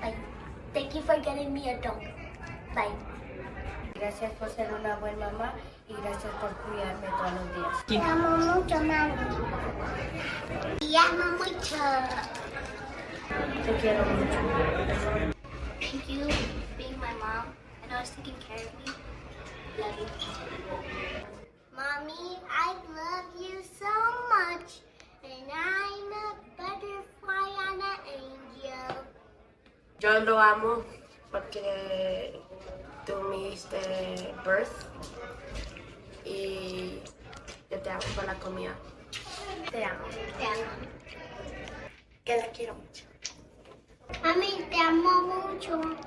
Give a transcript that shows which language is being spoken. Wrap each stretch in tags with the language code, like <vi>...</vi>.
<en>Like, thank you for getting me a dog. Bye.</en> <es>Gracias por ser una buena mamá y gracias por cuidarme todos los días. Te amo mucho, mami. Te amo mucho. Te quiero mucho.</es> <en>Thank you for being my mom and always taking care of me. Love you. Mommy, I love you so much, and I'm a butterfly and an angel.</en> <es>Yo lo amo porque tú me diste birth y yo te amo por la comida. Te amo. Te amo. Que la quiero mucho. Mami, te amo mucho.</es>